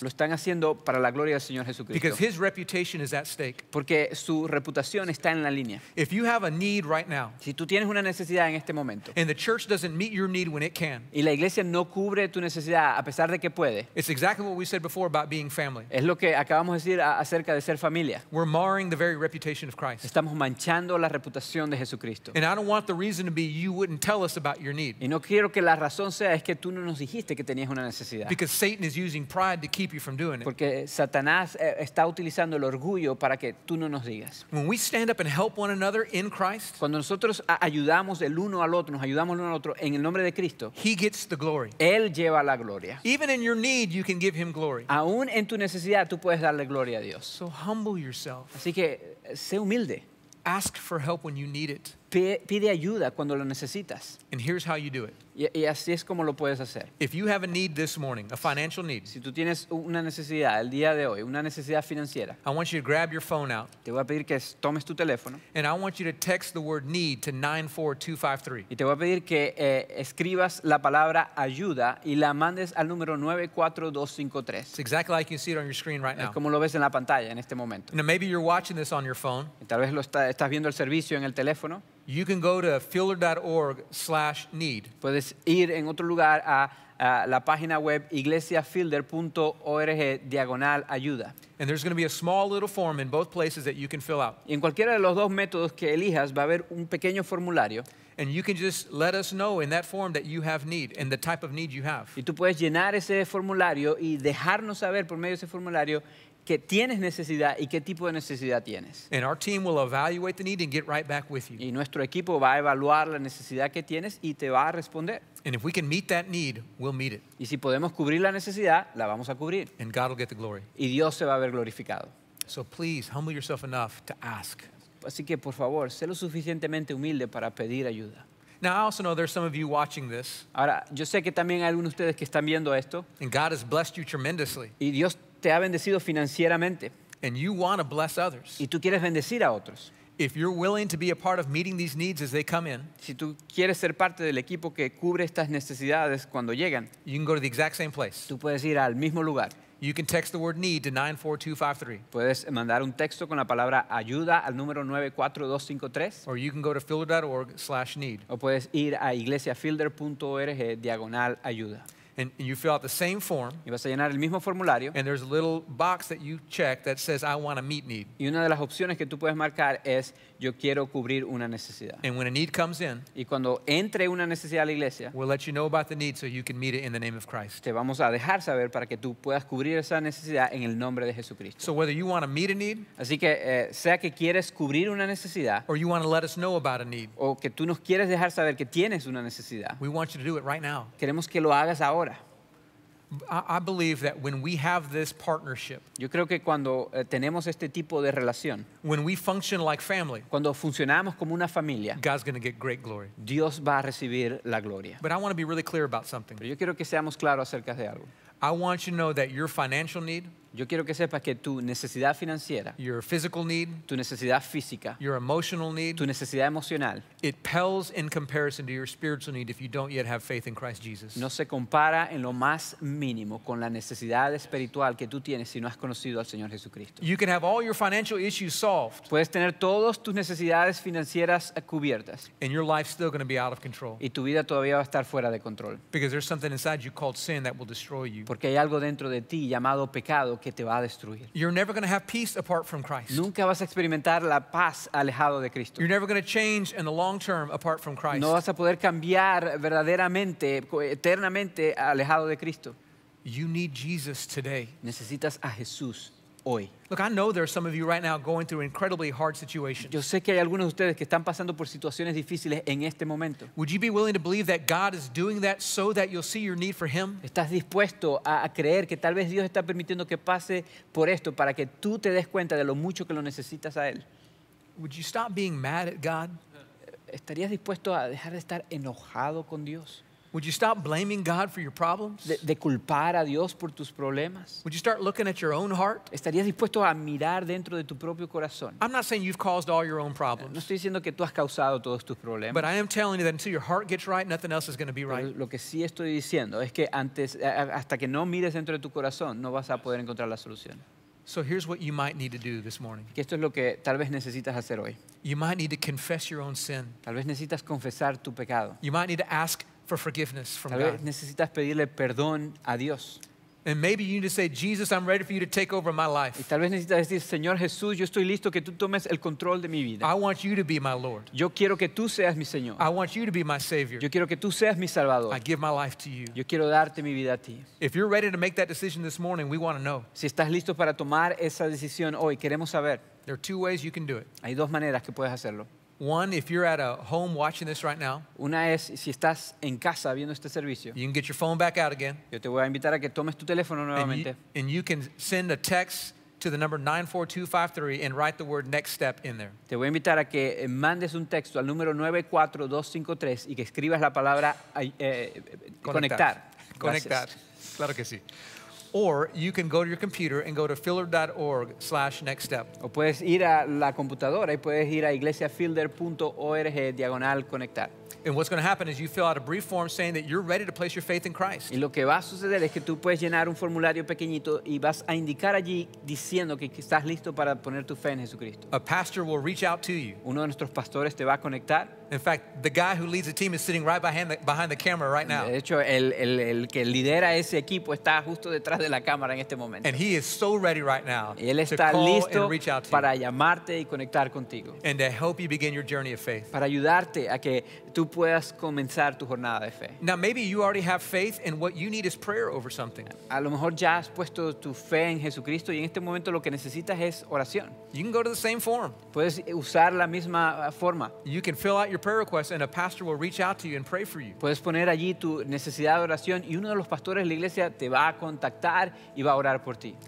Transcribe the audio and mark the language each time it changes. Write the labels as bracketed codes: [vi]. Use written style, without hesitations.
[es] Lo están haciendo para la gloria del Señor Jesucristo. [en] Because his reputation is at stake. [es] Porque su reputación está en la línea. [en] If you have a need right now. [es] Si tú tienes una necesidad en este momento. [en] And the church doesn't meet your need when it can. [es] Y la iglesia no cubre tu necesidad a pesar de que puede. [en] It's exactly what we said before about being family. [es] Es lo que acabamos de decir acerca de ser familia. [en] We're marring the very reputation of Christ. [es] Estamos manchando manchando la reputación de Jesucristo. [en] And I don't want the reason to be you wouldn't tell us about your need. [es] Y no quiero que la razón sea es que tú no nos dijiste que tenías una necesidad. [en] Because Satan is using pride to keep you from doing it. [es] Porque Satanás está utilizando el orgullo para que tú no nos digas. [en] When we stand up and help one another in Christ, [es] cuando nosotros ayudamos el uno al otro, nos ayudamos el uno al otro en el nombre de Cristo, [en] he gets the glory. [es] Él lleva la gloria. [en] Even in your need, you can give him glory. [es] Aún en tu necesidad, tú puedes darle gloria a Dios. [en] So humble yourself. [es] Así que sé humilde. [en] Ask for help when you need it. [es] Pide ayuda cuando lo necesitas. [en] And here's how you do it. [es] Y así es como lo puedes hacer. [en] If you have a need this morning, a financial need, [es] si tú tienes una necesidad el día de hoy, una necesidad financiera, [en] I want you to grab your phone out. [es] Te voy a pedir que tomes tu teléfono. [en] And I want you to text the word need to 94253. [es] Y te voy a pedir que escribas la palabra ayuda y la mandes al número 94253. [en] It's exactly like you see it on your screen right now. [es] Es como lo ves en la pantalla en este momento. [en] Now maybe you're watching this on your phone. [es] Y tal vez estás viendo el servicio en el teléfono. [en] You can go to fielder.org/need. [es] Puedes ir en otro lugar a la página web iglesiafielder.org/ayuda. [en] And there's going to be a small little form in both places that you can fill out. [es] En cualquiera de los dos métodos que elijas va a haber un pequeño formulario. [en] And you can just let us know in that form that you have need and the type of need you have. [es] Y tú puedes llenar ese formulario y dejarnos saber por medio de ese formulario que tienes necesidad y qué tipo de necesidad tienes. [en] And our team will evaluate the need and get right back with you. [es] Y nuestro equipo va a evaluar la necesidad que tienes y te va a responder. [en] And if we can meet that need, we'll meet it. [es] Y si podemos cubrir la necesidad, la vamos a cubrir. [en] And God will get the glory. [es] Y Dios se va a ver glorificado. [en] So please humble yourself enough to ask. [es] Así que por favor, sé lo suficientemente humilde para pedir ayuda. [en] Now I also know there's some of you watching this. [es] Ahora, yo sé que también hay algunos de ustedes que están viendo esto. [en] And God has blessed you tremendously. [es] Y Dios te ha bendecido financieramente. [en] And you want to bless others. [es] Y tú quieres bendecir a otros. [en] If you're willing to be a part of meeting these needs as they come in, [es] si tú quieres ser parte del equipo que cubre estas necesidades cuando llegan, [en] you can go to the exact same place. [es] Tú puedes ir al mismo lugar. [en] You can text the word need to 94253. [es] Puedes mandar un texto con la palabra ayuda al número 94253. [en] Or you can go to fielder.org/need. [es] O puedes ir a iglesiafielder.org/ayuda. [en] And you fill out the same form. [es] Y vas a llenar el mismo formulario. [en] And there's a little box that you check that says I want to meet need. [es] Y una de las opciones que tú puedes marcar es yo quiero cubrir una necesidad. [en] And when a need comes in, [es] y cuando entre una necesidad a la iglesia, [en] we'll let you know about the need so you can meet it in the name of Christ. [es] Te vamos a dejar saber para que tú puedas cubrir esa necesidad en el nombre de Jesucristo. [en] So whether you want to meet a need, [es] así que sea que quieres cubrir una necesidad, [en] or you want to let us know about a need, [es] o que tú nos quieres dejar saber que tienes una necesidad, [en] we want you to do it right now. [es] Queremos que lo hagas ahora. [en] I believe that when we have this partnership, [es] yo creo que cuando tenemos este tipo de relación, [en] when we function like family, [es] cuando funcionamos como una familia, [en] God's going to get great glory. [es] Dios va a recibir la gloria. [en] But I want to be really clear about something. [es] Pero yo quiero que seamos claros acerca de algo. [en] I want you to know that your financial need, [es] yo quiero que sepas que tu necesidad financiera, [en] your physical need, [es] tu necesidad física, [en] your emotional need, [es] tu necesidad emocional, [en] it pales in comparison to your spiritual need if you don't yet have faith in Christ Jesus. [es] No se compara en lo más mínimo con la necesidad espiritual que tú tienes si no has conocido al Señor Jesucristo. [en] You can have all your financial issues solved. [es] Puedes tener todas tus necesidades financieras cubiertas. [en] And your life's still going to be out of control. [es] Y tu vida todavía va a estar fuera de control. [en] Because there's something inside you called sin that will destroy you. [es] Porque hay algo dentro de ti llamado pecado que te va a destruir. [en] You're never going to have peace apart from Christ. [es] Nunca vas a experimentar la paz alejado de Cristo. [en] You're never going to change in the long term apart from Christ. [es] No vas a poder cambiar verdaderamente, eternamente alejado de Cristo. [en] You need Jesus today. [es] Necesitas a Jesús hoy. [en] Look, I know there are some of you right now going through incredibly hard situations. [es] Yo sé que hay algunos de ustedes que están pasando por situaciones difíciles en este momento. [en] Would you be willing to believe that God is doing that so that you'll see your need for Him? [es] ¿Estás dispuesto a creer que tal vez Dios está permitiendo que pase por esto para que tú te des cuenta de lo mucho que lo necesitas a Él? [en] Would you stop being mad at God? [es] ¿Estarías dispuesto a dejar de estar enojado con Dios? [en] Would you stop blaming God for your problems? [es] De culpar a Dios por tus problemas. [en] Would you start looking at your own heart? [es] ¿Estarías dispuesto a mirar dentro de tu propio corazón? [en] I'm not saying you've caused all your own problems. [es] No estoy diciendo que tú has causado todos tus problemas. [en] But I am telling you that until your heart gets right, nothing else is going to be right. [es] Lo que sí estoy diciendo es que antes, hasta que no mires dentro de tu corazón, no vas a poder encontrar la solución. [en] So here's what you might need to do this morning. [es] Que esto es lo que tal vez necesitas hacer hoy. [en] You might need to confess your own sin. [es] Tal vez necesitas confesar tu pecado. [en] You might need to ask for forgiveness from [es] God. Necesitas pedirle perdón a Dios. [en] And maybe you need to say, Jesus, I'm ready for you to take over my life. [es] Y tal vez necesitas decir, Señor Jesús, yo estoy listo que tú tomes el control de mi vida. [en] I want you to be my Lord. [es] Yo quiero que tú seas mi Señor. [en] I want you to be my Savior. [es] Yo quiero que tú seas mi Salvador. [en] I give my life to you. [es] Yo quiero darte mi vida a ti. [en] If you're ready to make that decision this morning, we want to know. [es] Si estás listo para tomar esa decisión hoy, queremos saber. [en] There are two ways you can do it. [es] Hay dos maneras que puedes hacerlo. [en] One, if you're at a home watching this right now, [es] una es, si estás en casa viendo este servicio, [en] you can get your phone back out again. [es] Yo te voy a invitar a que tomes tu teléfono nuevamente. [en] And you can send a text to the number 94253 and write the word next step in there. [es] Te voy a invitar a que mandes un texto al número 94253 y que escribas la palabra conectar. Conectar. Claro que sí. [en] Or you can go to your computer and go to filler.org/next step. [es] O puedes ir a la computadora y puedes ir a iglesiafilder.org/conectar. [en] And what's going to happen is you fill out a brief form saying that you're ready to place your faith in Christ. [es] Y lo que va a suceder es que tú puedes llenar un formulario pequeñito y vas a indicar allí diciendo que estás listo para poner tu fe en Jesucristo. [en] A pastor will reach out to you. [es] Uno de nuestros pastores te va a conectar. [en] In fact, the guy who leads the team is sitting right behind the camera right now. [es] De hecho, el que lidera ese equipo está justo detrás de la cámara en este momento. [en] And he is so ready right now. [es] Y él está listo para llamarte y conectar contigo. [en] And to help you begin your journey of faith. [es] Para ayudarte a que tú puedas comenzar tu jornada de fe. [en] Now maybe you already have faith and what you need is prayer over something. [es] A lo mejor ya has puesto tu fe en Jesucristo y en este momento lo que necesitas es oración. [en] You can go to the same form. [es] Puedes usar la misma forma. [en] You can fill out your prayer request and a pastor will reach out to you and pray for you. [es] Puedes poner allí tu necesidad de oración y uno de los pastores de la iglesia te va a contactar y va a orar por ti.